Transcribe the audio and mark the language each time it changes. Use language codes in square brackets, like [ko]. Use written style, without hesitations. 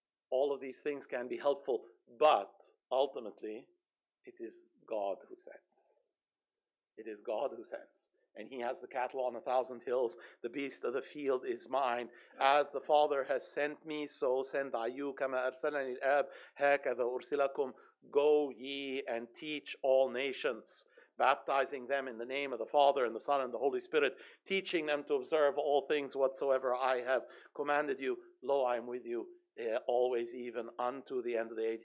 [en] All of these things can be helpful, but ultimately, it is God who sends. It is God who sends. And he has the cattle on 1,000 hills. The beast of the field is mine. As the Father has sent me, so send I you. [ar] كما أرسلني الأب هكذا أرسلكم. [en] Go ye and teach all nations, baptizing them in the name of the Father and the Son and the Holy Spirit, teaching them to observe all things whatsoever I have commanded you. Lo, I am with you always, even unto the end of the age.